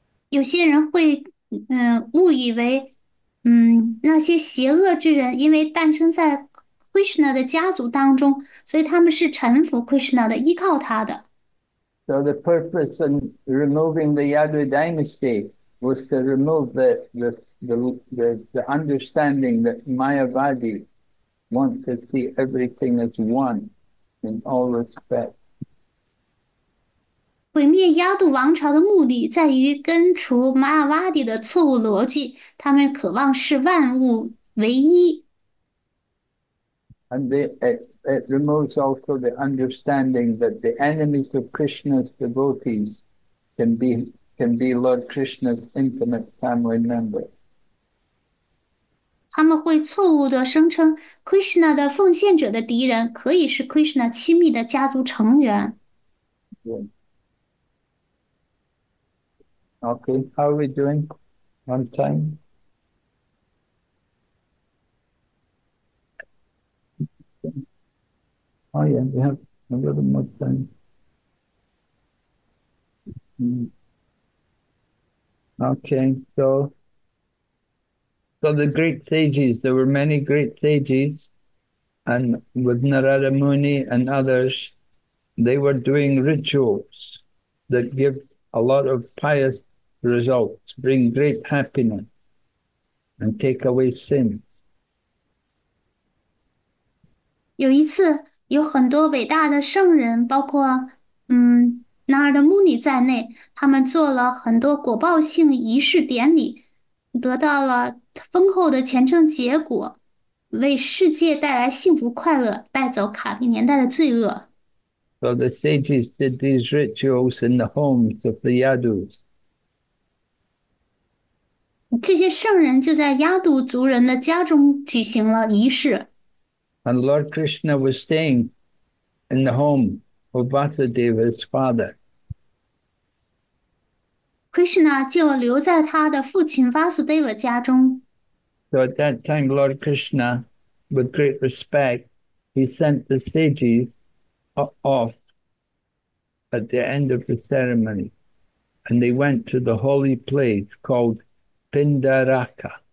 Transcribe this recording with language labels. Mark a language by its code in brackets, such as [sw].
[zh] 有些人会，误以为，那些邪恶之人因为诞生在 Krishna 的家族当中，所以他们是臣服 Krishna 的，依靠他的。 [en] So the purpose in removing the Yadu dynasty was to remove the understanding that Mayavadi wants to see everything as one in all respects. [zh] 毁灭亚度王朝的目的在于根除马尔瓦蒂的错误逻辑，他们渴望视万物唯一。 [en] And it removes also the understanding that the enemies of Krishna's devotees can be Lord Krishna's intimate family member. [zh] 他们会错误地声称，Krishna 的奉献者的敌人可以是 Krishna 亲密的家族成员。 [en] Okay, how are we doing on time? Oh yeah, we have a little more time. Okay, so the great sages, there were many great sages, and with Narada Muni and others, they were doing rituals that give a lot of pious results, bring great happiness, and take away sin. [zh] 有一次，有很多伟大的圣人，包括纳尔德穆尼在内，他们做了很多果报性仪式典礼，得到了丰厚的虔诚结果，为世界带来幸福快乐，带走卡比年代的罪恶。 [en] So the sages did these rituals in the homes of the Yadus. [zh] 这些圣人就在亚度族人的家中举行了仪式。 [en] And Lord Krishna was staying in the home of Vasudeva's father. [zh] Krishna 就留在他的父亲 Vasudeva 家中。 [en] So at that time, Lord Krishna, with great respect, he sent the sages off at the end of the ceremony, and they went to the holy place called Pindaraka.